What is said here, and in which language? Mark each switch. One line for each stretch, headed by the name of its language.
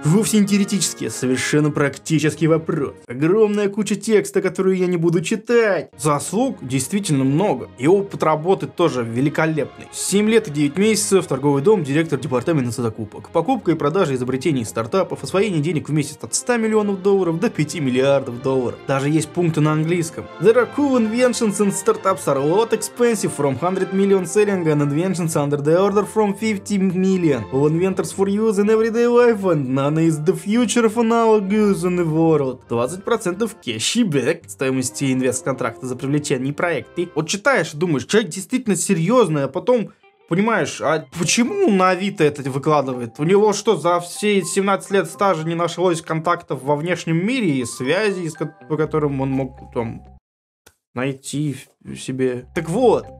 Russian: Вовсе не теоретические, совершенно практический вопрос. Огромная куча текста, которую я не буду читать. Заслуг действительно много. И опыт работы тоже великолепный. 7 лет и 9 месяцев, торговый дом, директор департамента закупок. Покупка и продажа изобретений и стартапов, освоение денег в месяц от 100 миллионов долларов до 5 миллиардов долларов. Даже есть пункты на английском.
English: There are cool inventions and startups are a lot expensive from 100 million selling and inventions under the order from 50 million. All inventors for use in everyday life and none is the future of analogous in the world.
Russian: 20% кэшбэк. Стоимости инвест-контракта за привлечение проекта. Вот читаешь и думаешь, человек действительно серьезный, а потом понимаешь, а почему на Авито это выкладывает? У него что, за все 17 лет стажа не нашлось контактов во внешнем мире и связей, по которым он мог там найти себе? Так вот.